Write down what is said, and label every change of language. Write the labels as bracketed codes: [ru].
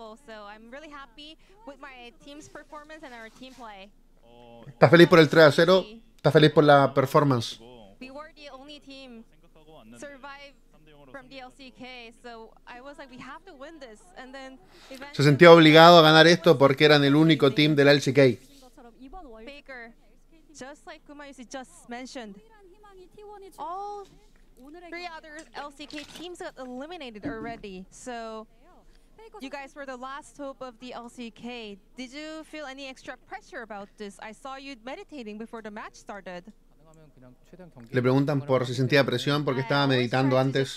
[en] so I'm really happy with my team's performance and our team play. [es] ¿Estás feliz por el 3-0? ¿Estás feliz por la performance? [en] We were the only team survive from DLCK, so I was like, we have to win this. And then [es] se sentía obligado a ganar esto porque eran el único team del LCK. [en] Baker, just like Kuma just mentioned, all three other LCK teams got eliminated already. So you guys were the last hope of the LCK. Did you feel any extra pressure about this? I saw you meditating before the match started. [es] Le preguntan por si sentía presión porque estaba meditando antes.